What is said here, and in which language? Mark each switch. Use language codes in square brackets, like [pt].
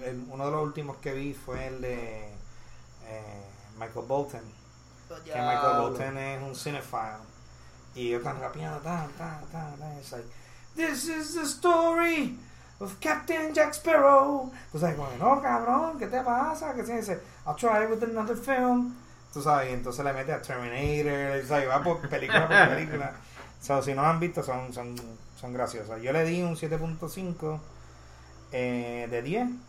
[es] Uno de los últimos que vi fue el de Michael Bolton. Que Michael Bolton es un cinephile. Y ellos están rapeando. [en] It's like, this is the story of Captain Jack Sparrow. [es] Tú sabes, como, no, cabrón, ¿qué te pasa? ¿Qué tienes? I'll try it with another film. Tú sabes, y entonces le mete a Terminator. Es like, va por película. So, si no lo han visto, son graciosas. Yo le di un 7.5 de 10.